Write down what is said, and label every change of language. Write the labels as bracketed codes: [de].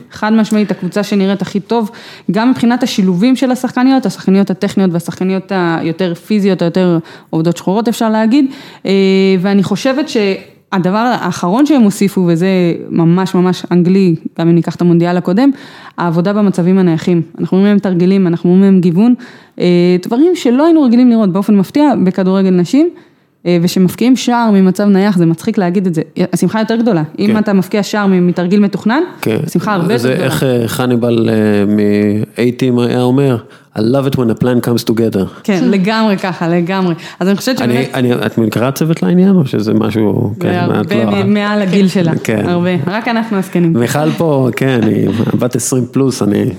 [he] חד משמעית, הקבוצה שנראית הכי טוב, גם מבחינת השילובים של השחקניות, השחקניות הטכניות והשחקניות היותר פיזיות, היותר עובדות שחורות אפשר להגיד, ואני חושבת שהדבר האחרון שהם הוסיפו, וזה ממש ממש אנגלי, גם אם ניקח את המונדיאל הקודם, העבודה במצבים הנייחים, אנחנו רואים מהם תרגילים, אנחנו רואים מהם גיוון, דברים שלא היינו רגילים לראות באופן מפתיע בכדורגל נשים, ושמפקיעים שער ממצב נייח, זה מצחיק להגיד את זה, השמחה יותר גדולה, כן. אם אתה מפקיע שער מתרגיל מתוכנן, כן. השמחה הרבה יותר גדולה. איך חניבל מ-80 היה אומר, [en] I love it when a plan comes together. [he] כן, לגמרי ככה, לגמרי. אז אני חושבת שבאמת... את מנקרת צוות לעניין, או שזה משהו... מעל הגיל שלה, הרבה. רק אנחנו הסכנים. מיכל פה, כן, אני בת 20 פלוס, אני...